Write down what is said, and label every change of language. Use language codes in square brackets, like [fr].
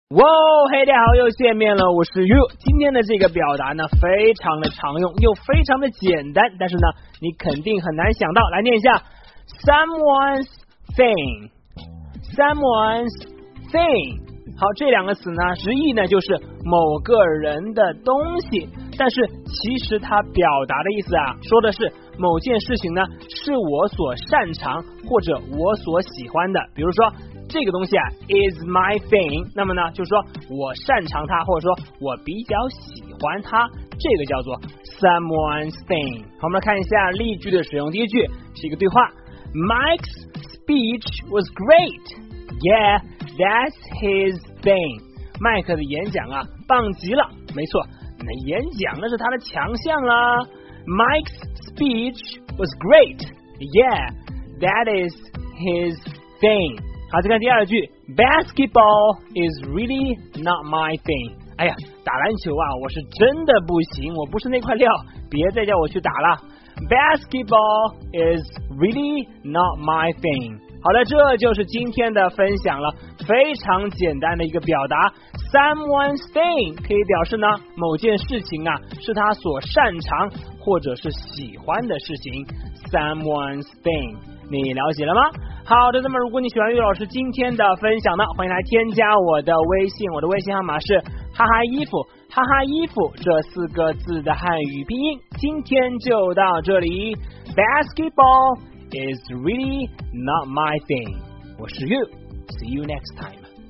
[zh] 哇嘿，大家好，又见面了，我是 You。今天的这个表达呢非常的常用又非常的简单，但是呢你肯定很难想到。来念一下 Someone's thing， Someone's thing。好，这两个词呢直译呢就是某个人的东西，但是其实它表达的意思啊说的是某件事情呢是我所擅长或者我所喜欢的。比如说这个东西啊 [en] is my thing， [zh] 那么呢就是说我擅长它或者说我比较喜欢它，这个叫做 someone's thing。好，我们来看一下例句的使用。第一句是一个对话， [en] Mike's speech was great， yeah that's his thing。 [zh] 麦克的演讲啊棒极了，没错，那演讲那是他的强项啦。 [en] Mike's speech was great， yeah that is his thing。 [zh] 好，再看第二句， [en] Basketball is really not my thing。 [zh] 哎呀，打篮球啊我是真的不行，我不是那块料，别再叫我去打了。 [en] Basketball is really not my thing。 [zh] 好的，这就是今天的分享了，非常简单的一个表达， Someone's thing 可以表示呢某件事情啊是他所擅长或者是喜欢的事情， Someone's thing。你了解了吗？好的，那么如果你喜欢于老师今天的分享呢，欢迎来添加我的微信，我的微信号码是哈哈衣服，哈哈衣服这四个字的汉语拼音。今天就到这里， [en] Basketball is really not my thing。 [zh] 我是 You， [en] See you next time。